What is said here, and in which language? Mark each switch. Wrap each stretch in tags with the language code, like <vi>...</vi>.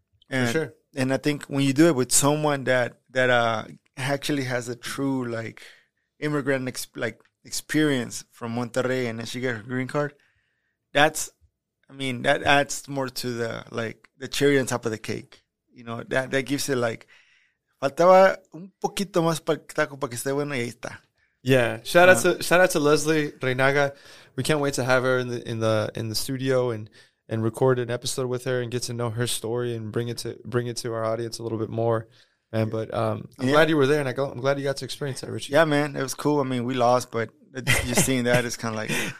<en>And, for sure. And I think when you do it with someone that actually has a true, like, immigrant experience from Monterrey, and then she got her green card, that adds more to the, like, the cherry on top of the cake. You know, that gives it, like,</en> <es>faltaba un poquito más para el taco para que esté bueno y ahí está.</es> <en>Yeah. Shout out to Leslie Reynaga. We can't wait to have her in the studio and record an episode with her and get to know her story and bring it to our audience a little bit more. Man, but glad you were there, and I'm glad you got to experience that, Richie. Yeah, man, it was cool. I mean, we lost, but just seeing that is kind of like</en>